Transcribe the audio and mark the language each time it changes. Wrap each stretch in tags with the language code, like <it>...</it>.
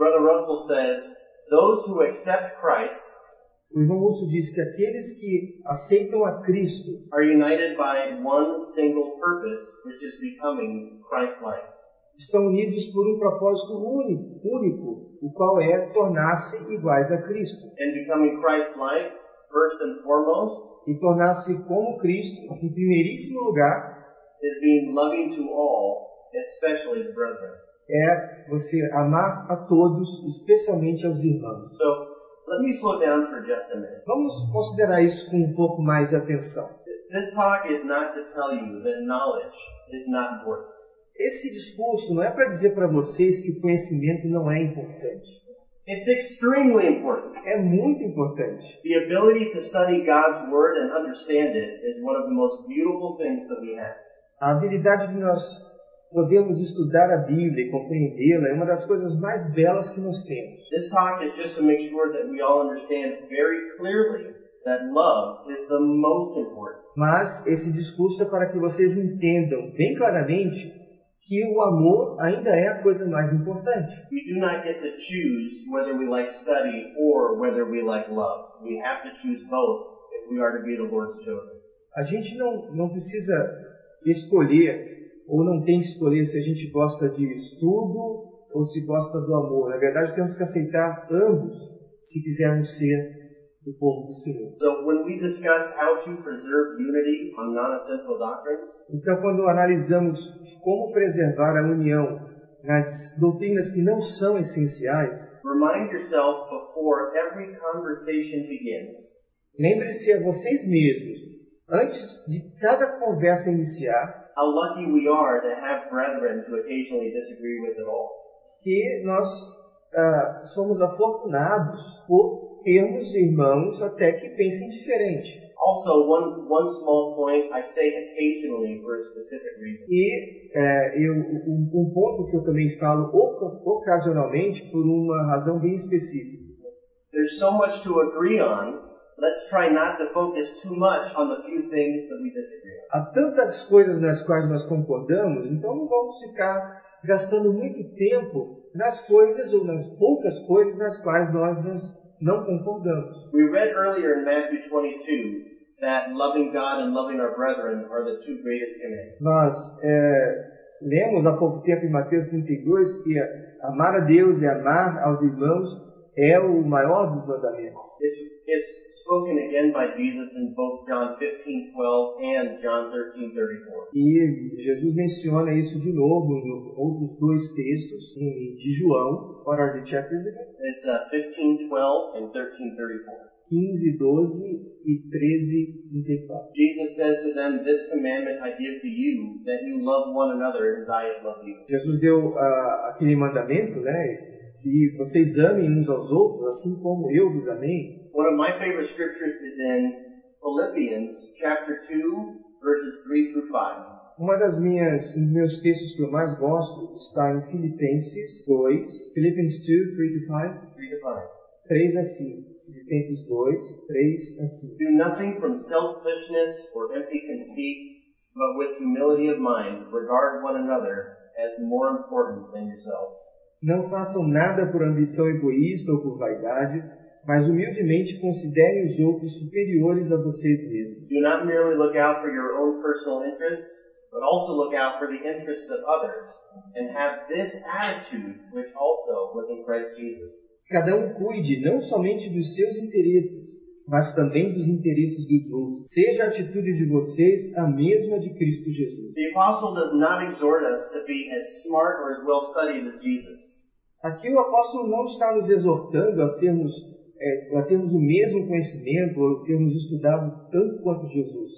<en>Brother Russell says, those who accept Christ,</en> <pt>o irmão Russell diz que aqueles que aceitam a Cristo</pt> <en>are united by one single purpose, which is becoming Christ-like.</en> <pt>Estão unidos por um propósito único, o qual é tornar-se iguais a Cristo.</pt> <en>And becoming Christ-like, first and foremost,</en> <pt>e tornar-se como Cristo, em primeiríssimo lugar,</pt> <en>is being loving to all, especially the brethren.</en> <pt>É você amar a todos, especialmente aos irmãos.</pt> <en>So, let me slow down for just a minute.</en> <pt>Vamos considerar isso com um pouco mais de atenção.</pt> <en>This talk is not to tell you that knowledge is not important.</en> <pt>Esse discurso não é para dizer para vocês que o conhecimento não é importante.</pt> <en>It's extremely important.</en> <pt>É muito importante.</pt> <en>The ability to study God's word and understand it is one of the most beautiful things that we have.</en> <pt>A habilidade de nós podemos estudar a Bíblia e compreendê-la é uma das coisas mais belas que nós temos.</pt> <en>This talk is just to make sure that we all understand very clearly that love is the most important.</en> <pt>Mas esse discurso é para que vocês entendam bem claramente que o amor ainda é a coisa mais importante.</pt> <en>We do not get to choose whether we like study or whether we like love. We have to choose both if we are to be the Lord's chosen.</en> <pt>A gente não precisa escolher ou não tem que escolher se a gente gosta de estudo ou se gosta do amor. Na verdade, temos que aceitar ambos se quisermos ser do povo do Senhor.</pt> <en>So, when we discuss how to preserve unity on non-essential doctrines,</en> <pt>então, quando analisamos como preservar a união nas doutrinas que não são essenciais,</pt> <en>remind yourself before every conversation begins.</en> <pt>Lembre-se a vocês mesmos, antes de cada conversa iniciar,</pt> <en>how lucky we are to have brethren to occasionally disagree with it all.</en> <pt>Que nós somos afortunados por termos irmãos até que pensem diferente.</pt> <en>Also, one small point, I say occasionally for a specific reason.</en> <pt>E um ponto que eu também falo ocasionalmente por uma razão bem específica.</pt> <en>There's so much to agree on. Let's try not to focus too much on the few things that we disagree on.</en> <pt>Há tantas coisas nas quais nós concordamos, então não vamos ficar gastando muito tempo nas coisas ou nas poucas coisas nas quais nós não concordamos.</pt> <en>We read earlier in Matthew 22 that loving God and loving our brethren are the two greatest commandments.</en> <pt>Nós lemos há pouco tempo em Mateus 22 que amar a Deus e amar aos irmãos é o maior dos mandamentos.</pt> <en>It's spoken again by Jesus in both John 15:12 and John 13:34.</en> <pt>E Jesus menciona isso de novo em outros dois textos de João.</pt> <en>What are the chapters again? It's 15:12 and 13:34.</en> <pt>15:12 e 13:34.</pt> <en>Jesus says to them, "This commandment I give to you, that you love one another as I have loved you."</en> <pt>Jesus deu aquele mandamento, né? E vocês amem uns aos outros, assim como eu vos amei.</pt> <en>One of my favorite scriptures is in Philippians chapter 2, verses 3 through 5.</en> <pt>Uma das minhas, um dos meus textos que eu mais gosto está em Filipenses 2,</pt> <en>Philippians 2, 3 to 5. 3 to 5.</en> <pt>3 a 5. Filipenses 2, 3 a 5.</pt> <en>Do nothing from selfishness or empty conceit, but with humility of mind, regard one another as more important than yourselves.</en> <pt>Não façam nada por ambição egoísta ou por vaidade, mas humildemente considerem os outros superiores a vocês mesmos.</pt> <en>Do not merely look out for your own personal interests, but also look out for the interests of others, and have this attitude, which also was in Christ Jesus.</en> <pt>Cada um cuide não somente dos seus interesses, mas também dos interesses dos outros. Seja a atitude de vocês a mesma de Cristo Jesus.</pt> <en>The apostle does not exhort us to be as smart or as well studied as Jesus.</en> <pt>Aqui o apóstolo não está nos exortando a termos o mesmo conhecimento ou termos estudado tanto quanto Jesus.</pt>